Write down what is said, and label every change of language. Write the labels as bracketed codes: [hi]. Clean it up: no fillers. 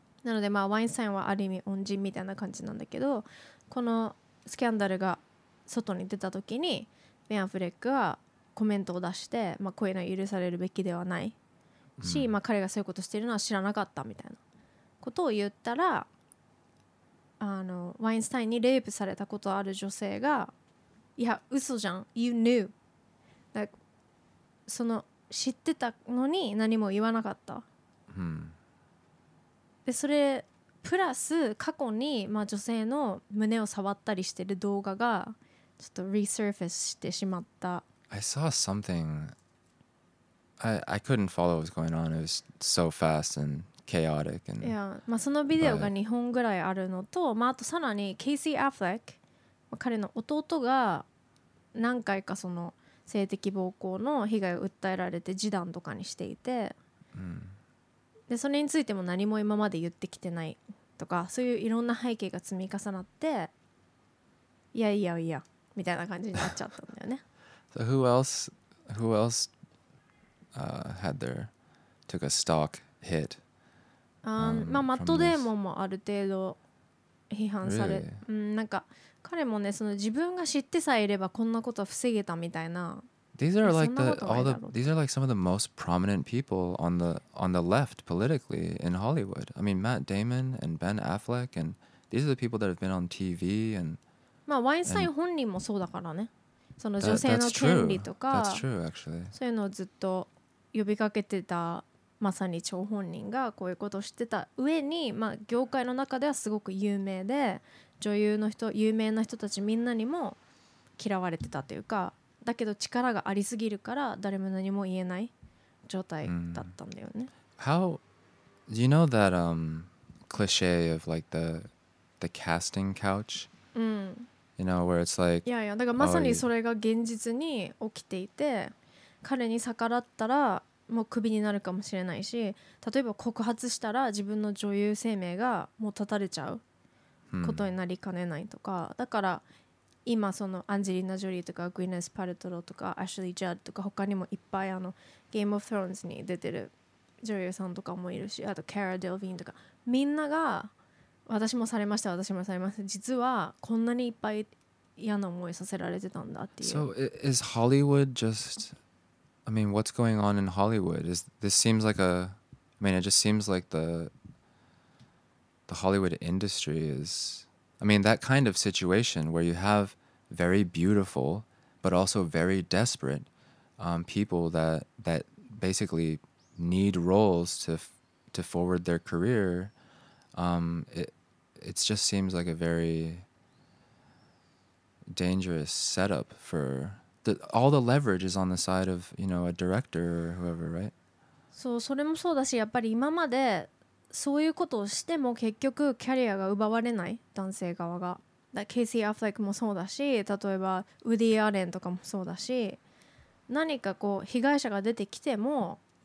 [ja] なので、まあ、ワインスタインはある意味恩人みたいな感じなんだけど、このスキャンダルが外に出た時にベン・アフレックはコメントを出して、まあ、こういうのは許されるべきではないし、うん、まあ、彼がそういうことしてるのは知らなかったみたいなことを言ったら、ワインスタインにレイプされたことある女性が、いや嘘じゃん、 [en] You knew、 [ja] だからその知ってたのに何も言わなかった、うん、でそれプラス過去に、まあ、女性の胸を触ったりしてる動画がちょっとリサーフェスしてしまった。 [en] I saw something I couldn't follow what was going on. It was so fast and chaotic and... [ja] Yeah, まあそのビデオが2本ぐらいあるのと、まあ、あとさらにケイシー・アフレック、まあ、彼の弟が何回かその性的暴行の被害を訴えられて示談とかにしていて、うん、でそれについても何も今まで言ってきてないとか、そういういろんな背景が積み重なって、いやいやいやみたいな感じになっちゃったんだよね。 [en] So who else had their took a stock hit? [ja] まあマットデーモンもある程度批判され、 [en] really? [ja] うん、なんか彼もね、その自分が知ってさえいればこんなことは防げたみたいな。 [en] These are like these are like some of the most prominent people on the left politically in Hollywood. I mean, Matt Damon and Ben Affleck and these are the people that have been on TV and. [ja] まあワインスタイン本人もそうだからね。その女性の権利とか。 [en] That's true actually. [ja] そういうのをずっと呼びかけてたまさに張本人がこういうことをしてた上に、まあ、業界の中ではすごく有名で女優の人有名な人たちみんなにも嫌われてたというかだけど力がありすぎるから誰も何も言えない状態だったんだよね、 mm. [en] How do you know that cliche of like the casting couch、 mm. You know where it's like [ja] いやいやだからまさにそれが現実に起きていて彼に逆らったらもうクビになるかもしれないし例えば告発したら自分の女優生命がもう絶たれちゃうことになりかねないとか、mm. だから今そのアンジェリーナ・ジョリーとかグイネス・パルトロとかアシュリー・ジャッドとか他にもいっぱいあのゲーム・オブ・トローンズに出てる女優さんとかもいるしあとカラ・デルヴィンとかみんなが私もされました私もされました実はこんなにいっぱい嫌な思いさせられてたんだっていう [en] So is Hollywood just I mean what's going on in Hollywood is this seems like a I mean it just seems like the Hollywood industry isI mean, that kind of situation where you have very beautiful but also very desperate people that basically need roles to forward their career, it just seems like a very dangerous setup for... All the leverage is on the side of, you know, a director or whoever, right? [ja] So, それもそうだし、やっぱり今までそういうことをしても結局キャリアが奪われない男性側がだケイシー・アフレックもそうだし例えばウディ・アレンとかもそうだし何かこう被害者が出てきても